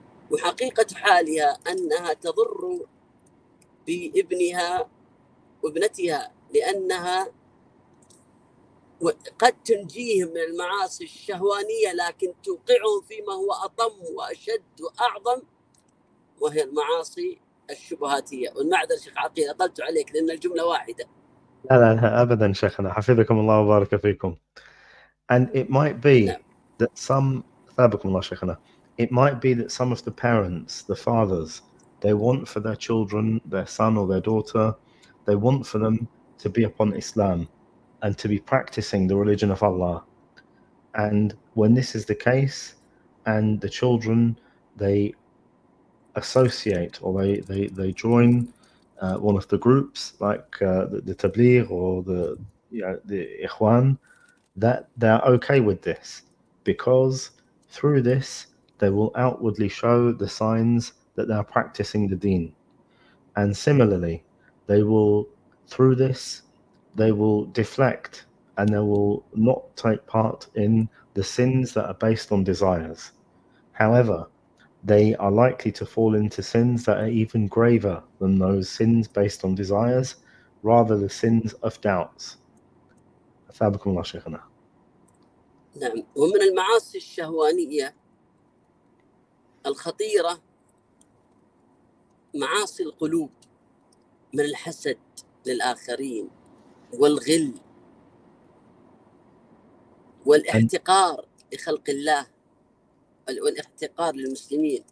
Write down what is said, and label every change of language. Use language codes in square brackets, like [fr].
[ar] وحقيقة حالها أنها تضر بابنها وابنتها، لأنها قد تنجيهم من المعاصي الشهوانية لكن توقعهم فيما هو أطم وأشد وأعظم، وهي المعاصي الشبهاتية. والمعذرة شيخ عقيل أطلت عليك لأن الجملة واحدة. لا لا لا أبدا شيخنا، حفظكم الله وبارك فيكم. [en] And it might be that some [ar] ثابكم الله شيخنا. [en] It might be that some of the parents, the fathers, they want for their children, their son or their daughter, they want for them to be upon Islam and to be practicing the religion of Allah. And when this is the case, and the children, they associate or they join one of the groups, like the Tabligh or the, you know, the Ikhwan, that they're okay with this, because through this, they will outwardly show the signs that they are practicing the deen. And similarly, they will, through this, they will deflect and they will not take part in the sins that are based on desires. However, they are likely to fall into sins that are even graver than those sins based on desires, rather the sins of doubts. [ar] أثابكم الله شيخنا. نعم. ومن المعاصي الشهوانية الخطيرة معاصي القلوب، من الحسد للآخرين والغل والاحتقار لخلق الله والاحتقار للمسلمين.